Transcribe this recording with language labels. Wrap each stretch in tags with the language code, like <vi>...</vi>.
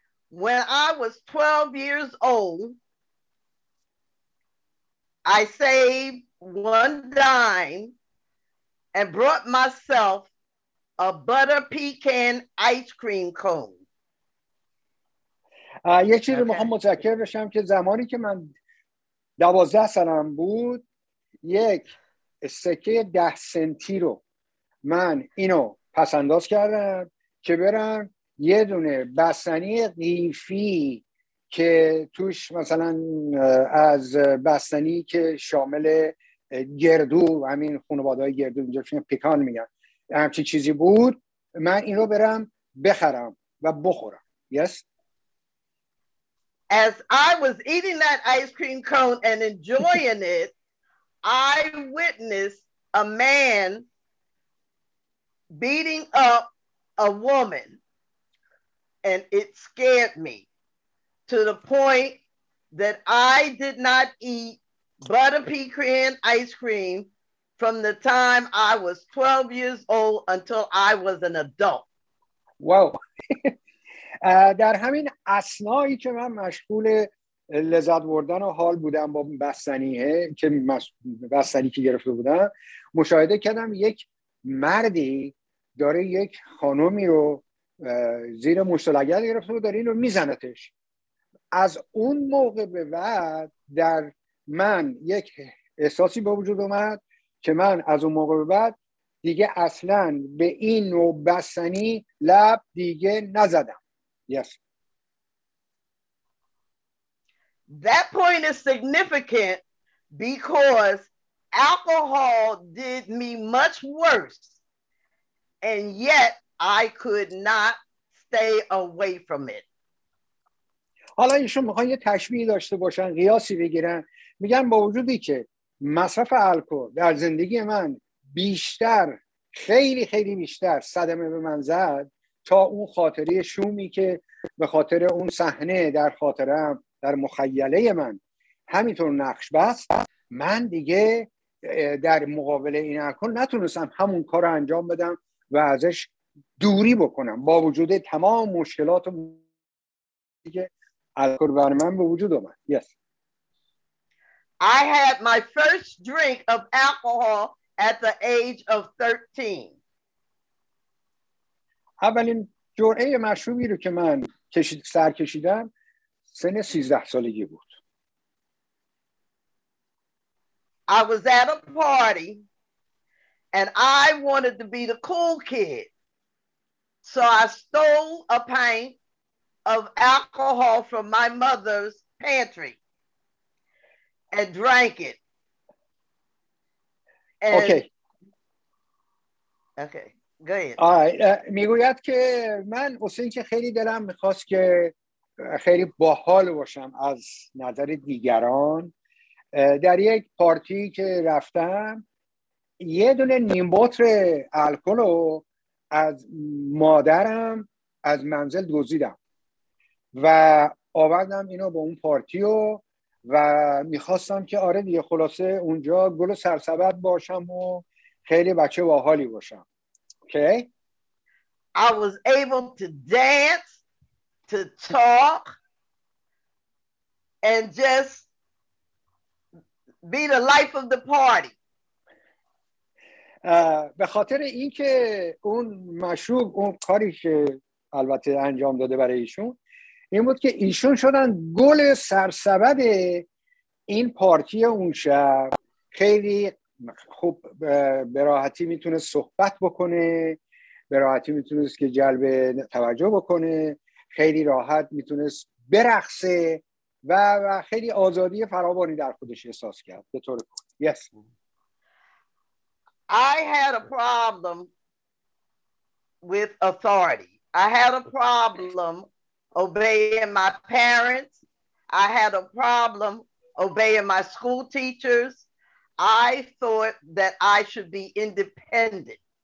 <en>When I was 12 years old, I saved one dime and brought myself a butter pecan ice cream cone.</en> <fa>یه چیز رو میخوام متذکر بشم که زمانی که من 12 سالم بود، یک سکه 10 سنتی رو من اینو پس انداز کردم که برم یه دونه بستنی قیفی که توش مثلا از بستنی که شامل گردو، همین خانواده های گردو اینجا پیکان میگن، همچی چیزی بود، من این رو برم بخرم و بخورم.</fa> <en>Yes. As I was eating that ice cream cone and enjoying it, I witnessed a man beating up a woman and it scared me to the point that I did not eat butter pecan ice cream for from the time I was 12 years old until I was an adult. Wow.</en> <fa>در همین اسنایی که من مشغول لذت بردن و حال بودم با بستنیه که بستنی که گرفته بودم، مشاهده کردم یک مردی داره یک خانومی رو زیر مشتلگل گرفته و داره این رو میزنتش. از اون موقع به بعد در من یک احساسی با وجود اومد که من از اون موقع به بعد دیگه اصلا به این نوع بستنی لب دیگه نزدم.</fa> <en>Yes. That point is significant because alcohol did me much worse, and yet I could not stay away from it.</en> <fa>حالا ایشون میخوان یه تشبیه داشته باشن، قیاسی بگیرن، میگن با وجودی که مصرف الکل در زندگی من بیشتر، خیلی خیلی بیشتر صدمه به من زد تا اون خاطره شومی که به خاطر اون صحنه در خاطرم در مخیله من همینطور نقش بست، من دیگه در مقابل این الکل نتونستم همون کار رو انجام بدم و ازش دوری بکنم با وجود تمام مشکلات دیگه الکل بر من به وجود اومد.</fa> <en>Yes. I had my first drink of alcohol at the age of 13.</en> <fa>اولین جرعه مشروبی رو که من سر کشیدم سن 13 سالگی بود.</fa> <en>I was at a party and I wanted to be the cool kid. So I stole a pint of alcohol from my mother's pantry and drank it. And okay. Okay. Go ahead.</en> <fa>میگوید که من حسین که خیلی دلم میخواست که خیلی باحال باشم از نظر دیگران، در یک پارتی که رفتم یه دونه نیم بطر الکل رو از مادرم از منزل دزدیدم و آوردم اینو به اون پارتی رو و میخواستم که آره دیگه خلاصه اونجا گل و سرسبد باشم و خیلی بچه باحالی باشم.</fa> <en>Okay. I was able to dance, to talk, and just be the life of the party.</en> <fa>به خاطر این که اون مشروب اون کاری که البته انجام داده برای ایشون این بود که ایشون شدن گل سرسبد این پارتی اون شب. خیلی خوب به راحتی میتونست صحبت بکنه، به راحتی میتونست که جلب توجه بکنه، خیلی راحت میتونست برقصه و خیلی آزادی فراوانی در خودش احساس کرد به طور کلی.</fa> <en>Yes. I had a problem with authority. I had a problem obeying my parents. I had a problem obeying my school teachers. I thought that I should be independent.</en>